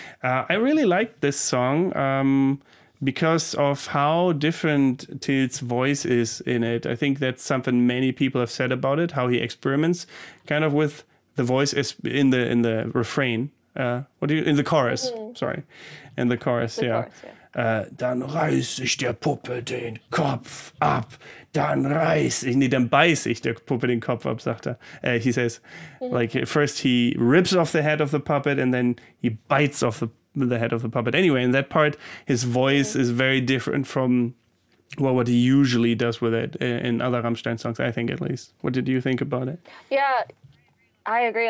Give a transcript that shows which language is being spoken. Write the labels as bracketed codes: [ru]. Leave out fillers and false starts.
[en] I really like this song because of how different Till's voice is in it. I think that's something many people have said about it, how he experiments kind of with the voice in the refrain. In the chorus, sorry. In the chorus, the chorus, [de] Dann reiß ich der Puppe den Kopf ab. Dann reiß ich, nee, dann beiß ich der Puppe den Kopf ab, sagt er. [en] He says, like, first he rips off the head of the puppet and then he bites off the head of the puppet. Anyway, in that part, his voice is very different from what he usually does with it in other Rammstein songs, I think, at least. What did you think about it? Yeah, I agree.